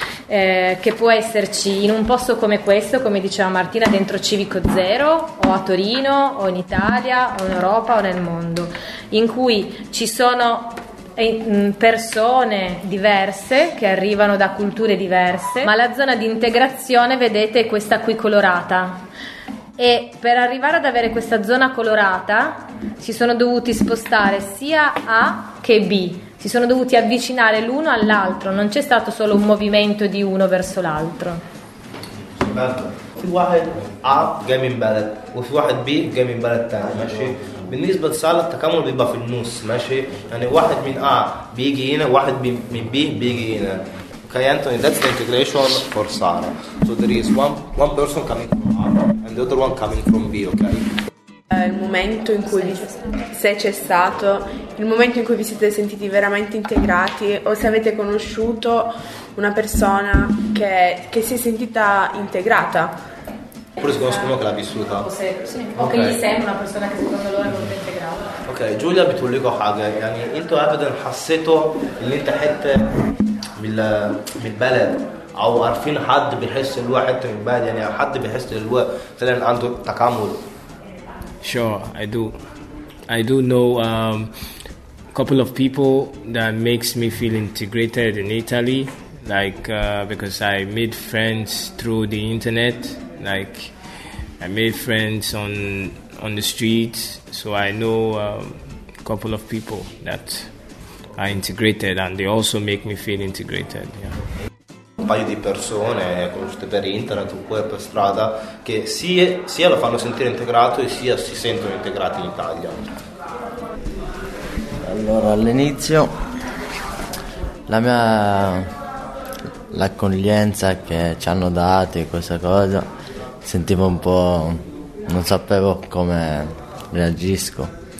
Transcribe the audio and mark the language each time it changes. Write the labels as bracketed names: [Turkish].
[Italian] Che può esserci in un posto come questo, come diceva Martina, dentro Civico Zero, o a Torino, o in Italia, o in Europa, o nel mondo, in cui ci sono persone diverse che arrivano da culture diverse, ma la zona di integrazione, vedete, è questa qui colorata. E per arrivare ad avere questa zona colorata si sono dovuti spostare sia A che B, si sono dovuti avvicinare l'uno all'altro, non c'è stato solo un movimento di uno verso l'altro. [Arabic] في واحد A جاي من بلد وفي واحد B جاي من بلد تاني ماشي. بالنسبة لسالة التكامل بيبقى في النص ماشي، يعني واحد من A بيجي هنا واحد من B بيجي هنا. [English] Okay, Anthony, that's the integration for Sara. So there is one person coming from A and the other one coming from B, okay? [Italian] Il momento in cui se c'è stato il momento in cui vi siete sentiti veramente integrati, o se avete conosciuto una persona che si è sentita integrata, oppure se conosco uno che l'ha vissuta, o che gli sembra una persona che secondo loro è molto integrata. [Arabic] Ok, Giulia, بتقول لكم حاجه يعني انتوا ابدا حسيتوا ان انت حته من البلد او عارفين حد بيحس ان هو حته من البلد، يعني حد بيحس ان هو مثلا عنده تكامل. [English] Sure, I do. I do know a couple of people that makes me feel integrated in Italy, like because I made friends through the internet, like I made friends on the street, so I know a couple of people that are integrated and they also make me feel integrated, yeah. [Italian] Un paio di persone conosciute per internet oppure per strada che sia lo fanno sentire integrato e sia si sentono integrati in Italia. Allora, all'inizio la mia l'accoglienza che ci hanno dato e questa cosa, sentivo un po', non sapevo come reagisco.